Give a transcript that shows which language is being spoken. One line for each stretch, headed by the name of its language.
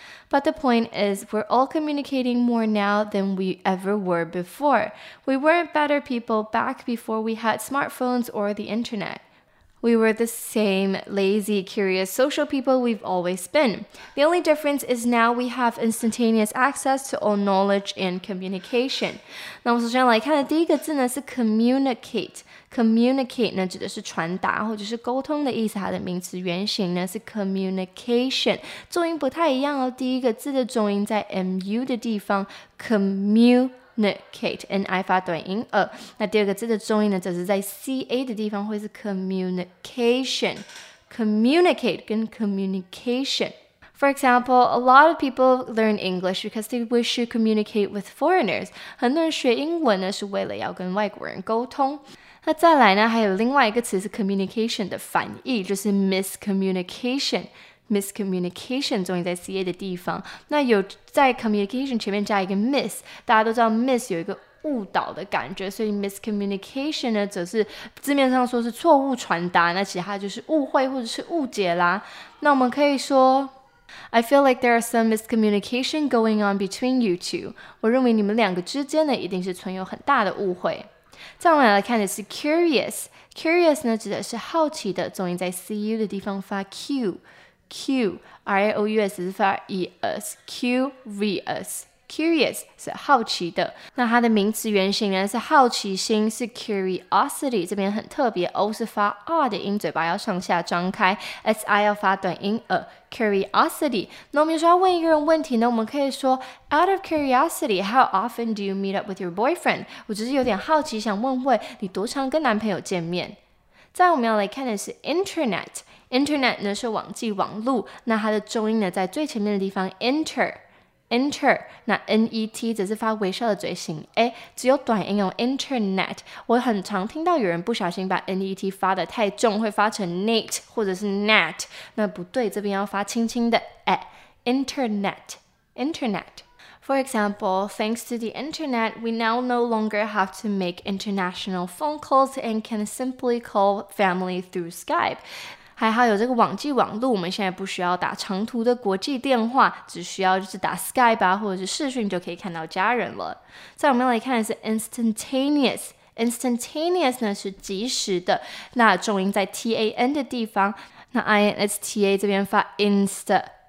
English: But the point is, we're all communicating more now than we ever were before. We weren't better people back before we had smartphones or the internet. We were the same lazy, curious, social people we've always been. The only difference is now we have instantaneous access to all knowledge and communication.
Chinese: 那我首先来看的第一个字呢是 communicate。Communicate 呢指的是传达或者是沟通的意思，它的名词原型呢是 communication， 重音不太一样哦。第一个字的重音在 mu 的地方 ，communicate ni 发短音。那第二个字的重音呢，则是在 ca 的地方，会是 communication。
English: Communicate
Chinese: 跟
English: communication。 For example, a lot of people learn English because they wish to communicate with foreigners.
Chinese: 很多人学英文呢是为了要跟外国人沟通。那再来呢，还有另外一个词是 communication 的反义，就是 miscommunication。 Miscommunication 重音在 ca 的地方。那有在 communication 前面加一个 miss， 大家都知道 miss 有一个误导的感觉，所以 miscommunication 呢，则是字面上说是错误传达，那其他就是误会或者是误解啦。那我们可以说。
English: I feel like there are some miscommunication going on between you two.
Chinese: 我认为你们两个之间呢，一定是存有很大的误会。再我们来看的是 curious. Curious 呢，指的是好奇的，重音在 cu 的地方发 q, q, rious 是发 es, curious, curious 是好奇的。那它的名词原型呢是好奇心，是 curiosity. 这边很特别 ，o 是发 r 的音，嘴巴要上下张开 ，si 要发短音 e。
English: Curiosity.
Chinese: 那我们就说要问一个人问题呢，我们可以说
English: Out of curiosity, how often do you meet up with your boyfriend?
Chinese: 我只是有点好奇，想问问你多常跟男朋友见面。再我们要来看的是 Internet. Internet 呢是网际网路，那它的重音呢在最前面的地方 Enter.
English: Enter.
Chinese: 那 N-E-T 只是发微笑的嘴型 A， 只有短音用 Internet. 我很常听到有人不小心把 N-E-T 发得太重，会发成 Net 或者是 Net， 那不对，这边要发轻轻的 A。
English: Internet. Internet. For example, thanks to the internet, we now no longer have to make international phone calls and can simply call family through Skype.
Chinese: 还好有这个网际网路，我们现在不需要打长途的国际电话，只需要就是打 Skype 啊，或者是视讯就可以看到家人了。再我们来看的是 instantaneous. Instantaneous 呢是即时的，那重音在 T-A-N 的地方，那 I-N-S-T-A 这边发 insta.